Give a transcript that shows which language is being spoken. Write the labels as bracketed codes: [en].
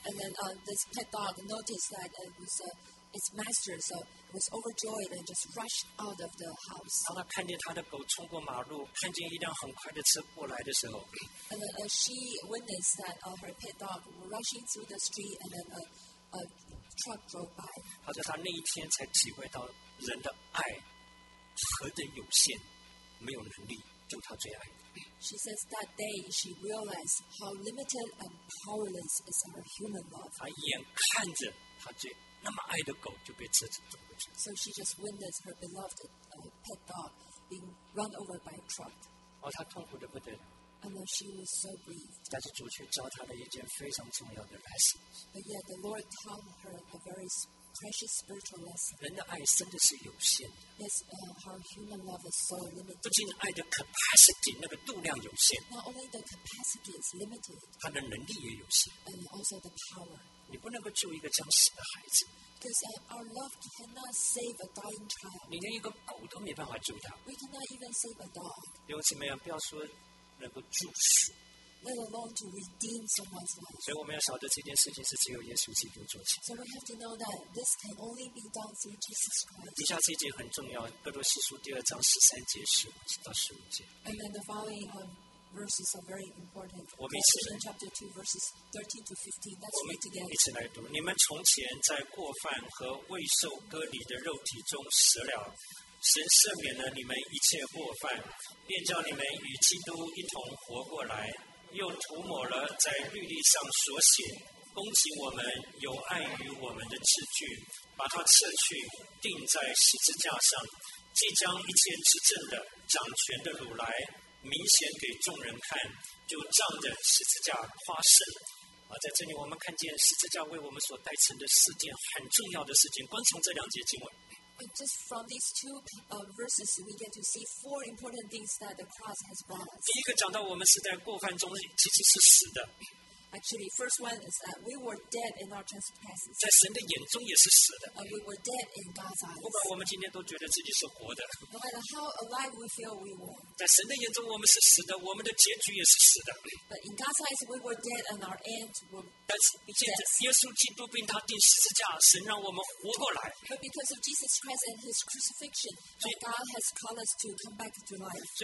[en] And then this pet dog noticed that it was its master, so was overjoyed and just rushed out of the house. [zh] 当他看见他的狗冲过马路，看见一辆很快的车过来的时候 [en] ，and then, she witnessed that her pet dog rushing through the street, and then a truck drove by. [zh] 好在他那一天才体会到人的爱何等有限，没有能力救他最爱的。 [en] She says that day she realized how limited and powerless is her human love. [zh] 她眼看着她最那么爱的狗就被车子撞过去。 [en] So she just witnessed her beloved pet dog being run over by a truck. [zh] 哦，她痛苦的不得了。 [en] And then she was so grieved. [zh] 但是主却教她了一件非常重要的 lesson. [en] But yet the Lord taught her a very precious spiritual lesson. [zh] 人的爱真的是有限的。 [en] Yes, our human love is so limited. [zh] 不仅爱的 capacity 那个度量有限。 [en] Not only the capacity is limited. [zh] 他的能力也有限。 [en] And also the power. [zh] 你不能够救一个将死的孩子。 [en] Because our love cannot save a dying child. [zh] 你连一个狗都没办法救他。 [en] We cannot even save a dog. [zh] 弟兄姊妹们，不要说能够救死。 [en] Let alone to redeem someone's life. [zh] 所以我们要晓得这件事情是只有耶稣基督做起。 [en] So we have to know that this can only be done through Jesus Christ. [zh] 底下这节很重要，哥罗西书第二章十三节十五到十五节。 [en] And then the following verses are very important. [zh] 我们一起 [en] 来。Chapter 2, verses 13 to 15. Let's read together. [zh] 一起来读。你们从前在过犯和未受割礼的肉体中死了，神赦免了你们一切过犯，便叫你们与基督一同活过来。又涂抹了在律例上所写攻击我们有碍于我们的字句，把它撤去，钉在十字架上，即将一切执政的掌权的掳来，明显给众人看，就仗着十字架夸胜。在这里我们看见十字架为我们所带成的四件很重要的事情，光从这两节经文。 [en] Just from these two verses, we get to see four important things that the cross has brought us. [zh] 第一个讲到我们是在过犯中，其实是死的。 [en] Actually, first one is that we were dead in our trespasses. [zh] 在神的眼中也是死的。 [en] We were dead in God's eyes. [zh] 不管我们今天都觉得自己是活的。 [en] No matter how alive we feel, we were. [zh] 在神的眼中我们是死的，我们的结局也是死的。 [en] But in God's eyes, we were dead, and our end will be death. [zh] 但是借着耶稣基督并他钉十字架，神让我们活过来。 [en] But because of Jesus Christ and His crucifixion, God has called us to come back to life.